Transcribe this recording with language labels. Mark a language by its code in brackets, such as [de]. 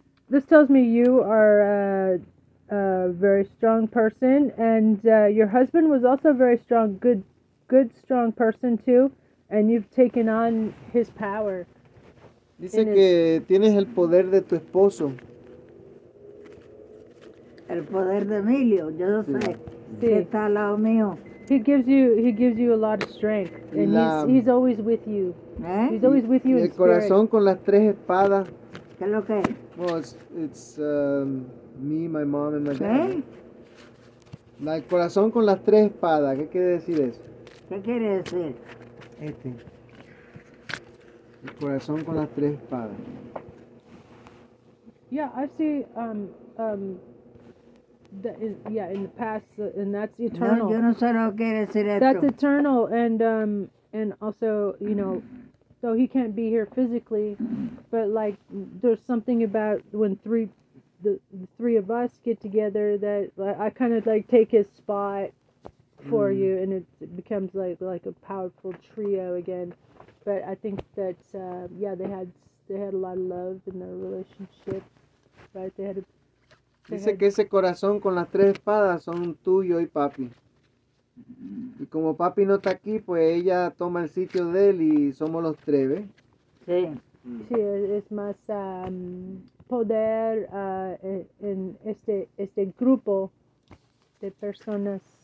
[en] This tells me you are a very strong person, and your husband was also very strong, good strong person too, and you've taken on his power. [es] Dice que tienes el poder de tu esposo. El poder de Emilio, yo lo sé. Sí. Que está al lado mío. [en] He gives you a lot of strength. And he's always with you. ¿Eh? He's always with you [es] el [en] in spirit. [es] El corazón con las tres espadas. ¿Qué es lo que es? [en] Well, it's me, my mom, and my dad. [es] ¿Eh? El corazón con las tres espadas, ¿qué quiere decir eso? ¿Qué quiere decir? Este. El corazón con las tres espadas. [en] Yeah, I see. In the past, and that's eternal. [es] No, yo no sé lo que quiere decir esto. [en] That's eternal, and also, you know, so he can't be here physically, but like, there's something about when the three of us get together that I kind of like take his spot for you, and it becomes like a powerful trio again. But I think that they had a lot of love in their relationship, right? They had. [es] Dice que ese corazón con las tres espadas son tuyo y papi. Y como papi no está aquí, pues ella toma el sitio de él y somos los tres, ¿ve? Sí. Sí, es más poder en este grupo de personas.